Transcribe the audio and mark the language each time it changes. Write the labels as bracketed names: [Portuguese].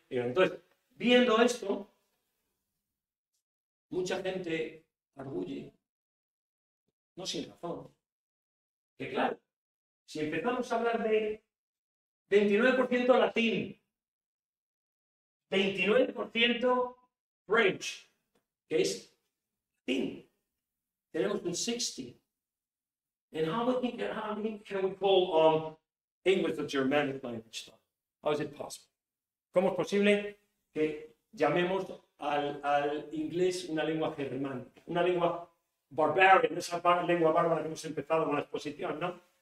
[Spanish] Y entonces, viendo esto, mucha gente arguye, no sin razón, que claro, si empezamos a hablar de 29% latín, 29% French, que es latín, tenemos un 60%. [English] And how can we call English the Germanic language? How is it possible? [Spanish] ¿Cómo es posible que llamemos al inglés una lengua germánica, una lengua barbarian, esa lengua bárbara que hemos empezado con la exposición, ¿no?